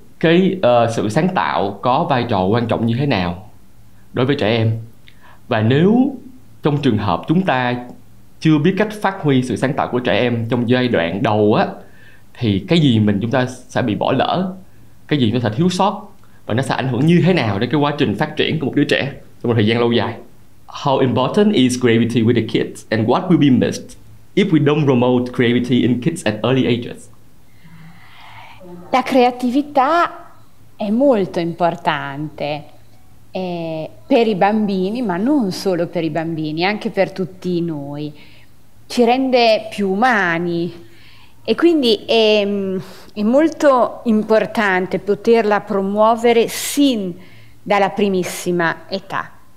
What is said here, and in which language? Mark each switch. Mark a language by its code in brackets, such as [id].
[vi] Cái sự sáng tạo có vai trò quan trọng như thế nào đối với trẻ em, và nếu trong trường hợp chúng ta chưa biết cách phát huy sự sáng tạo của trẻ em trong giai đoạn đầu á, thì cái gì mình chúng ta sẽ bị bỏ lỡ, cái gì nó sẽ thiếu sót, và nó sẽ ảnh hưởng như thế nào đến cái quá trình phát triển của một đứa trẻ trong một thời gian lâu dài. [en] How important is creativity with the kids, and what will be missed if we don't promote creativity in kids at early ages? [it] La creatività è molto importante per i bambini, ma non solo per i bambini, anche per tutti noi. Ci rende più umani. E quindi è molto importante poterla promuovere sin dalla primissima età.